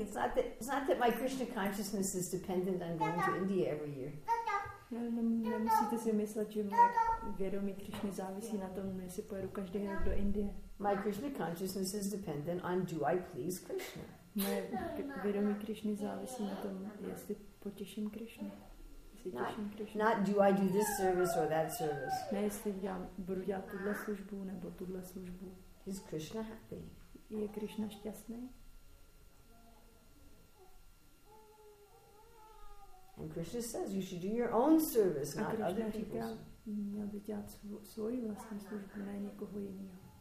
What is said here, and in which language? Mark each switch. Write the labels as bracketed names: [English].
[English] It's not that my Krishna consciousness is dependent on going to India every year. [Czech] Nemusíte si myslet, že moje vědomí Krišny závisí na tom, jestli pojedu každý rok do Indie. [English] My Krishna consciousness is dependent on do I please Krishna. [Czech] Moje vědomí Krišny závisí na tom, jestli potěším Krišnu. [English] Not do I do this service or that service. [Czech] Ne, jestli budu dělat tuhle službu nebo tuhle službu. [English] Is Krishna happy? [Czech] Je Krišna šťastný? [English] And Krishna says you should do your own service, not other people's. [Czech] Měl by dělat svoji vlastní službu, ne někoho jiného.